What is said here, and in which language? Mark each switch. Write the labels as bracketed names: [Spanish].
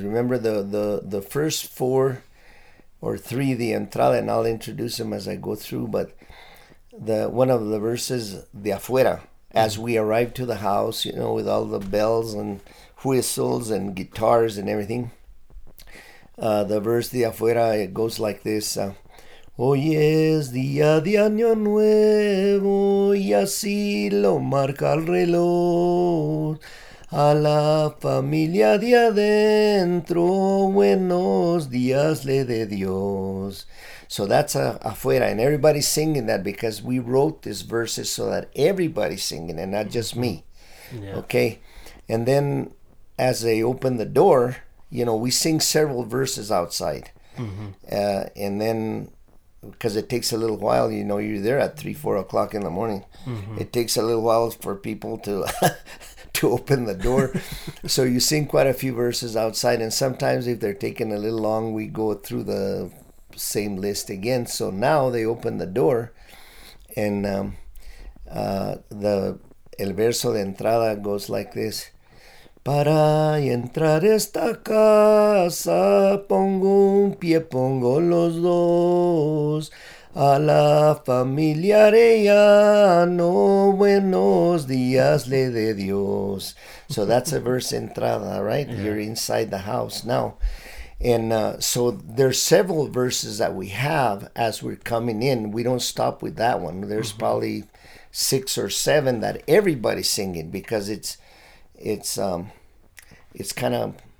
[English] Remember the first four or three, the entrada, and I'll introduce them as I go through. But the one of the verses, the afuera, as we arrive to the house, you know, with all the bells and whistles and guitars and everything. The verse, the afuera, it goes like this. [Spanish] Hoy es día de año nuevo y así lo marca el reloj. A la familia de adentro, buenos días le de Dios. [English] So that's afuera, and everybody's singing that because we wrote this verses so that everybody's singing and not just me. Okay, and then as they open the door, you know, we sing several verses outside. And then because it takes a little while, you know, you're there at 3, 4 o'clock in the morning. It takes a little while for people to to open the door. So you sing quite a few verses outside, and sometimes if they're taking a little long, we go through the same list again. So now they open the door, and the [Spanish] el verso de entrada [English] goes like this. [Spanish] Para entrar esta casa, pongo un pie, pongo los dos. A la familia Arellano, buenos días le de Dios. [English] So that's a verse entrada, right? You're inside the house now. And so there's several verses that we have as we're coming in. We don't stop with that one. There's probably six or seven that everybody's singing because it's kind of,